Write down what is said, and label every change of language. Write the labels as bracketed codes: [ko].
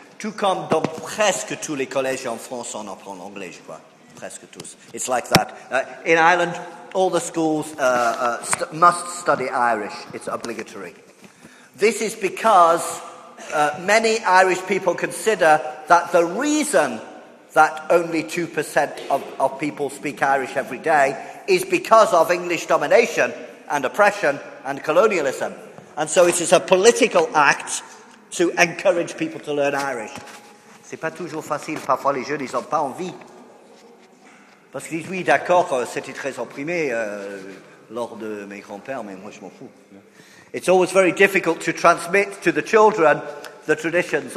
[fr] Tout comme dans presque tous les collèges en France, on apprend l'anglais, je crois. Presque tous. [en] It's like that. In Ireland, all the schools must study Irish. It's obligatory. This is because many Irish people consider that the reason that only 2% of people speak Irish every day is because of English domination and oppression and colonialism. And so it is a political act to encourage people to learn Irish. [fr] C'est pas toujours facile. Parfois les jeunes, ils ont pas envie. Parce qu'ils disent, oui, d'accord, c'était très opprimé lors de mes grands-pères, mais moi, je m'en fous. [en] It's always very difficult to transmit to the children the traditions.